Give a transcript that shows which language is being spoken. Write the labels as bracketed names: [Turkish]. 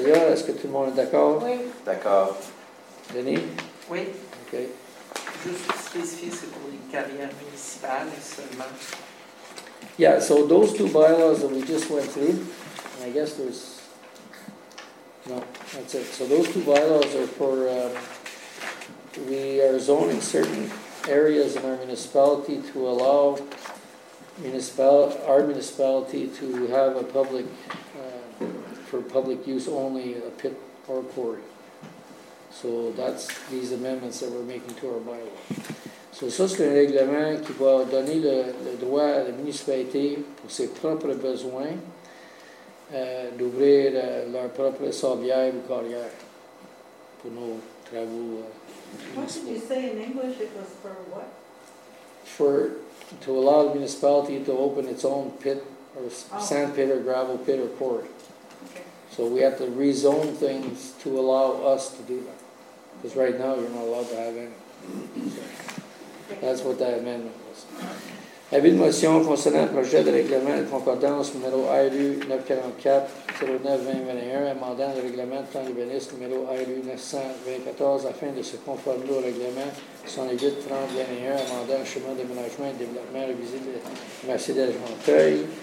[French] Natalia, est-ce que tout le monde est d'accord? Oui. D'accord. Denis? Oui. OK. Juste spécifier, c'est pour les carrières municipales seulement. [English] Yeah, so those two bylaws that we just went through, and I guess there's... No, that's it. So those two bylaws are for, we are zoning certain areas in our municipality to allow our municipality to have a public, for public use only, a pit or a quarry. So that's these amendments that we're making to our bylaw. [French] So ça, c'est un règlement qui va donner le droit à la municipalité pour ses propres besoins. D'ouvrir leur propre sorbière ou carrière pour nos travaux. [English] What did you say in English? It was for what? For to allow the municipality to open its own pit or sand pit or gravel pit or quarry. Okay. So we have to rezone things to allow us to do that. Because right now you're not allowed to have any. So that's what that amendment was. [French] Avis de motion concernant le projet de règlement de concordance numéro ARU 944-09-2021, amendant le règlement de plan d'urbanisme numéro ARU 924 afin de se conformer au règlement 108-30-21, amendant le chemin d'aménagement et de développement révisé de Mercedes-Monteuil.